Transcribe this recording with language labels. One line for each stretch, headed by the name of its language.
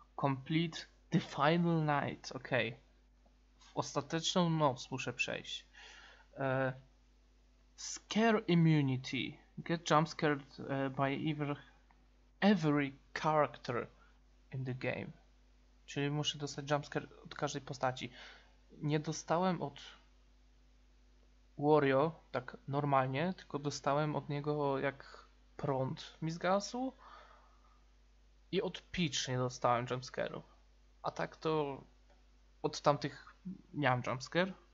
English: Complete the final night. Ok.
Polish: W ostateczną noc muszę przejść.
English: Scare immunity. Get jumpscared by every character in the game.
Polish: Czyli muszę dostać jumpscare od każdej postaci. Nie dostałem od Wario tak normalnie, tylko dostałem od niego jak prąd mi zgasł. I od Peach nie dostałem jumpscare'u. A tak to od tamtych miałem jumpscare.